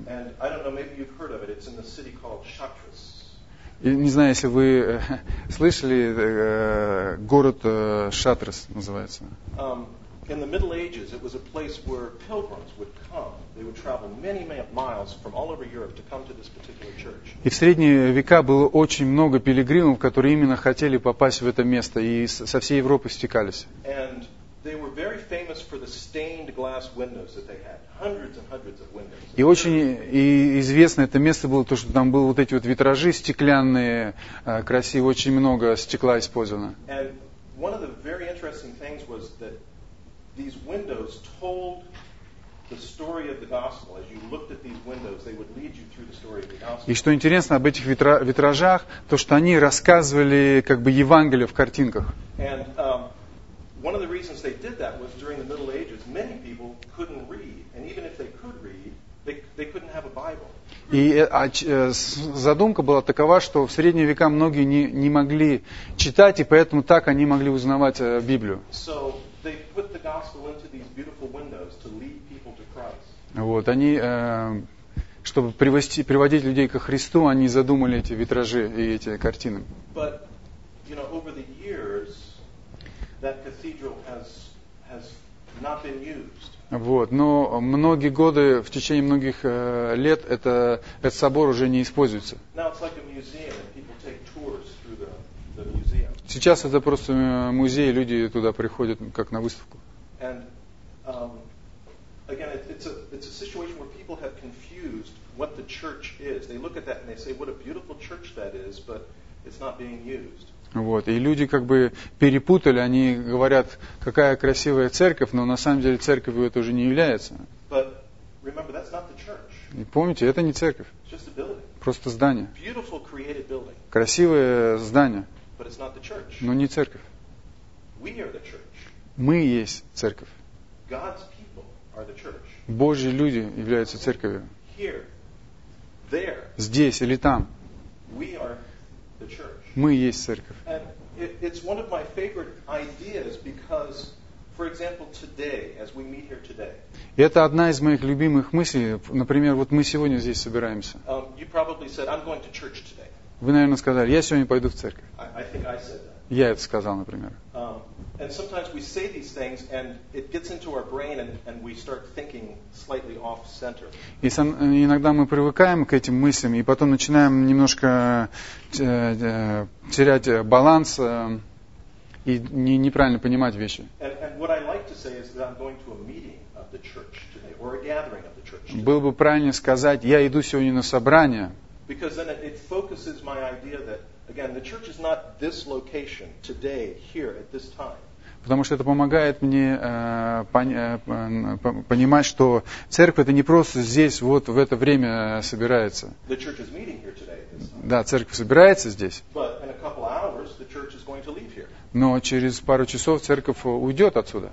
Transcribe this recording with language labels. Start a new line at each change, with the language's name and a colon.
English: And I don't know, maybe you've heard of it. It's in the city called Chartres.
Russian: И не знаю, если вы слышали, город Шатрес называется.
English: In the Middle Ages, it was a place where pilgrims would come. They would travel many miles from all over Europe to come to this particular church.
Russian: И в средние века было очень много пилигримов, которые именно хотели попасть в это место, и со всей Европы стекались.
English: And they were very famous for the stained glass windows that they had, hundreds and hundreds of windows.
Russian: И очень известно это место было то, что там были вот эти вот витражи стеклянные, красивые, очень много стекла использовано.
English: And one of the very interesting things was that these windows told the story of the gospel. As you looked at these windows, they would lead you through the story of the gospel.
Russian: И что интересно об этих витражах, то что они рассказывали как бы Евангелие в картинках.
English: And one of the reasons they did that was during the Middle Ages, many people couldn't read, and even if they could read, they couldn't have a Bible.
Russian: И задумка была такова, что в средние века многие не могли читать, и поэтому так они могли узнавать Библию.
English: So they put the gospel into these beautiful windows to lead people to Christ.
Russian: Вот, они, чтобы приводить людей ко Христу, они задумали эти витражи и эти картины.
English: But, you know, over the years, that cathedral has not been used.
Russian: Вот, но многие годы, в течение многих лет, этот собор уже не используется.
English: Now it's like a museum, and people take tours through the museum.
Russian: Сейчас это просто музей, люди туда приходят, как на выставку.
English: And, again, it's a situation where people have confused what the church is. They look at that and they say, what a beautiful church that is, but it's not being used.
Russian: Вот, и люди как бы перепутали, они говорят, какая красивая церковь, но на самом деле церковью это уже не является.
English: But remember, that's not the church.
Russian: И помните, это не церковь.
English: It's just a building.
Russian: Просто здание.
English: Beautiful created building.
Russian: Красивое здание.
English: But it's not the church.
Russian: Но не церковь.
English: We are the church.
Russian: Мы есть церковь.
English: God's people are the church.
Russian: Божьи люди являются церковью.
English: Here, there.
Russian: Здесь или там.
English: We are the church.
Russian: Мы есть церковь.
English: And it's one of my favorite ideas because For example, today, as we meet here today.
Russian: Это одна из моих любимых мыслей. Например, вот мы сегодня здесь собираемся.
English: You probably said, I'm going to church today.
Russian: Вы, наверное, сказали, я сегодня пойду в церковь.
English: I think I said that.
Russian: Я это сказал, например.
English: And sometimes we say these things and it gets into our brain and we start thinking slightly off center.
Russian: И иногда мы привыкаем к этим мыслям и потом начинаем немножко терять баланс и неправильно понимать вещи.
English: And what I like to say is that I'm going to a meeting of the church today or a gathering of the church today.
Russian: Было бы правильнее сказать, я иду сегодня на собрание.
English: Because then it focuses my idea that again, the church is not this location today, here at this time.
Russian: Потому что это помогает мне понимать, что церковь это не просто здесь вот в это время собирается.
English: The church is meeting here today.
Russian: Да, церковь собирается здесь.
English: But in a couple hours, the church is going to leave here.
Russian: Но через пару часов церковь уйдет отсюда.